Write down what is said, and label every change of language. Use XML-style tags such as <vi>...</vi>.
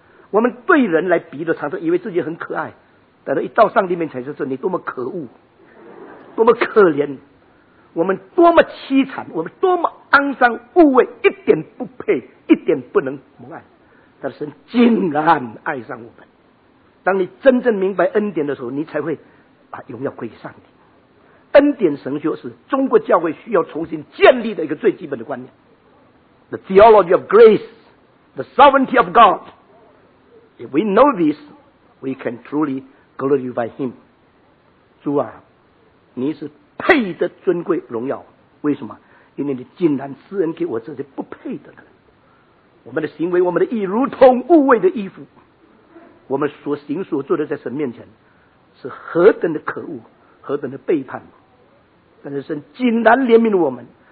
<zh>我们对人来比的常常以为自己很可爱，但是一到上帝面前才知道你多么可恶，多么可怜，我们多么凄惨，我们多么肮脏污秽，一点不配，一点不能蒙爱。但是神竟然爱上我们。当你真正明白恩典的时候，你才会把荣耀归给上帝。恩典神学是中国教会需要重新建立的一个最基本的观念。</zh> <en>The theology of grace, the sovereignty of God. If we know this, we can truly glorify Him.</en> <zh>主啊，你是配得尊贵荣耀，为什么？因为你竟然施恩给我这些不配的人。我们的行为，我们的意如同污秽的衣服，我们所行所做的在神面前是何等的可恶，何等的背叛。但是神竟然怜悯我们，</zh>